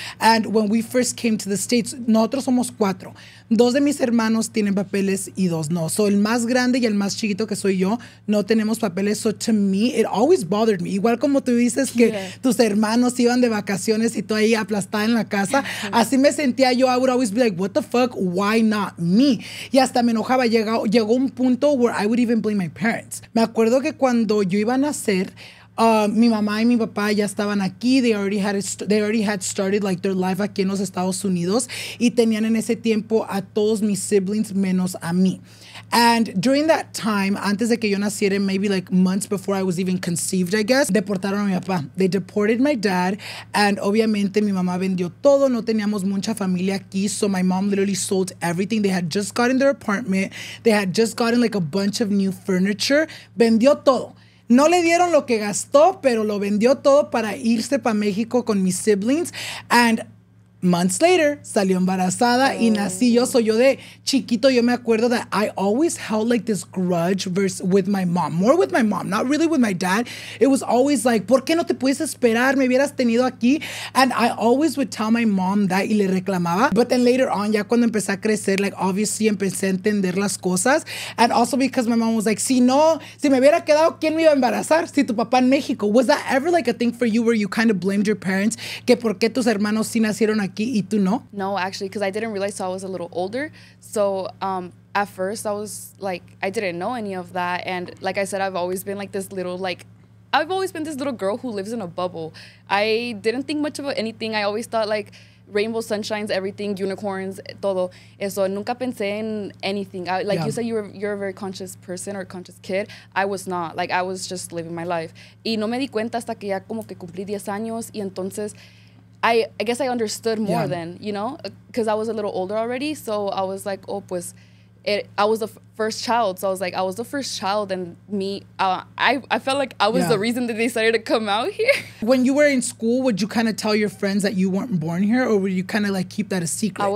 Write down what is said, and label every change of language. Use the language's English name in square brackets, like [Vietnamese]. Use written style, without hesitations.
[English] And when we first came to the States, [Spanish] nosotros somos cuatro. Dos de mis hermanos tienen papeles y dos no. So el más grande y el más chiquito que soy yo, no tenemos papeles. [English] So to me, it always bothered me. [Spanish] Igual como tú dices que tus hermanos iban de vacaciones y tú ahí aplastada en la casa. Así me sentía yo. [English] I would always be like, what the fuck, why not me? [Spanish] Y hasta me enojaba. Llegó un punto [English] where I would even blame my parents. [Spanish] Me acuerdo que cuando yo iba a nacer, mi mamá y mi papá ya estaban aquí. [English] They already had started like their life [Spanish] aquí en los Estados Unidos y tenían en ese tiempo a todos mis siblings menos a mí. [English] And during that time, [Spanish] antes de que yo naciera, [English] maybe like months before I was even conceived, I guess, [Spanish] deportaron a mi papá. [English] They deported my dad, and [Spanish] obviamente mi mamá vendió todo. No teníamos mucha familia aquí, [English] so my mom literally sold everything. They had just gotten their apartment. They had just gotten like a bunch of new furniture. [Spanish] Vendió todo. No le dieron lo que gastó, pero lo vendió todo para irse para México con mis siblings. [English] And months later, [Spanish] salió embarazada y nací yo. [English] So [Spanish] yo de chiquito, yo me acuerdo [English] that I always held like this grudge with my mom. More with my mom, not really with my dad. It was always like, [Spanish] ¿por qué no te puedes esperar? Me hubieras tenido aquí. [English] And I always would tell my mom that [Spanish] y le reclamaba. [English] But then later on, [Spanish] ya cuando empecé a crecer, [English] like obviously [Spanish] empecé a entender las cosas. [English] And also because my mom was like, [Spanish] si me hubiera quedado, ¿quién me iba a embarazar? Si tu papá en México. [English] Was that ever like a thing for you where you kind of blamed your parents? [Spanish] Que por qué tus hermanos sí nacieron aquí y tú no? [English] No, actually, because I didn't realize till I was a little older. So at first I was like, I didn't know any of that. And like I said, I've always been this little girl who lives in a bubble. I didn't think much of anything. I always thought like rainbow sunshines, everything, unicorns, todo. [Spanish] Eso, nunca pensé en [English] anything. You said, you're a very conscious person or conscious kid. I was not. Like, I was just living my life. [Spanish] Y no me di cuenta hasta que ya como que cumplí 10 años. Y entonces, [English] I guess I understood more then, you know, because I was a little older already. So I was like, oh, pues, I was the first child. So I was like, I was the first child, and me, I felt like I was the reason that they decided to come out here. When you were in school, would you kind of tell your friends that you weren't born here, or would you kind of like keep that a secret?